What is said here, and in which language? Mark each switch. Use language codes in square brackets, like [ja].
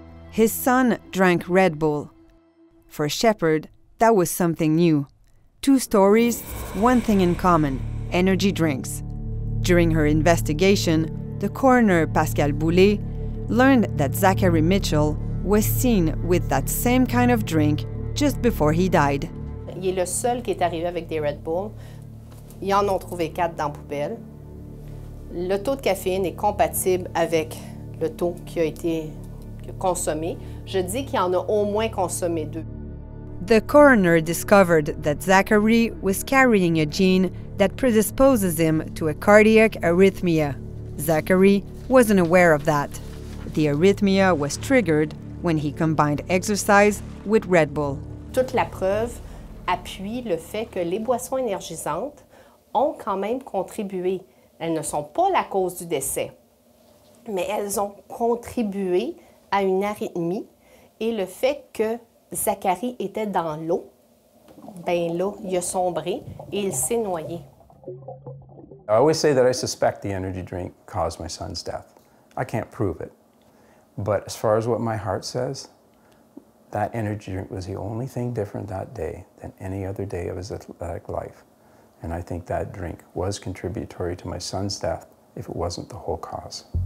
[en] His son drank Red Bull. For Shepherd, that was something new. two stories, one thing in common, energy drinks. During her investigation, the coroner, Pascal Boulet, learned that Zachary Mitchell was seen with that same kind of drink just before he died. [fr] Il est le seul qui est arrivé avec des Red Bull. Ils en ont trouvé quatre dans la poubelle. Le taux de caféine est compatible avec le taux qui a été consommé. Je dis qu'il y en a au moins consommé deux. [en] The coroner discovered that Zachary was carrying a gene that predisposes him to a cardiac arrhythmia. Zachary wasn't aware of that. The arrhythmia was triggered when he combined exercise with Red Bull. [fr] Toute la preuve appuie le fait que les boissons énergisantes ont quand même contribué. Elles ne sont pas la cause du décès, mais elles ont contribué à une arythmie et le fait que Zachary était dans l'eau, ben là, il a sombré et il s'est noyé. [en] I always say that I suspect the energy drink caused my son's death. I can't prove it. But as far as what my heart says, that energy drink was the only thing different that day than any other day of his athletic life. And I think that drink was contributory to my son's death if it wasn't the whole cause.